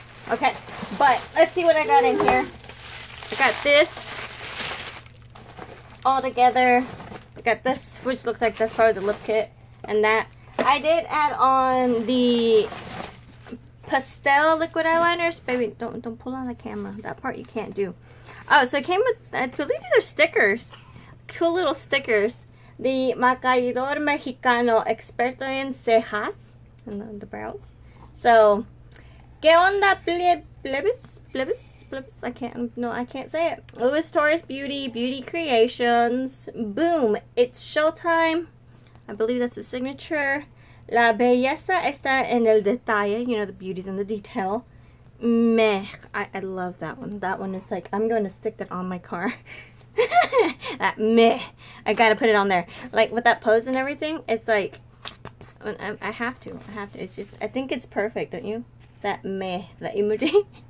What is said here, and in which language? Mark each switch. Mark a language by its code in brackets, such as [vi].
[en] Okay, but let's see what I got in here. I got this all together. I got this, which looks like that's probably the lip kit. And that. I did add on the pastel liquid eyeliners. Baby, don't pull on the camera. That part you can't do. Oh, so it came with, I believe these are stickers. Cool little stickers. The Maquillador Mexicano Experto en Cejas. And then the brows. So, [es] ¿qué onda, plebes? [en] I can't say it. Louis Torres Beauty Creations. Boom, it's showtime. I believe that's the signature. [es] La belleza está en el detalle. [en] You know, the beauty's in the detail. Meh, I love that one. That one is like, I'm going to stick that on my car. That meh. I gotta put it on there. Like, with that pose and everything, it's like, I have to. It's just, I think it's perfect, don't you? That meh, that emoji.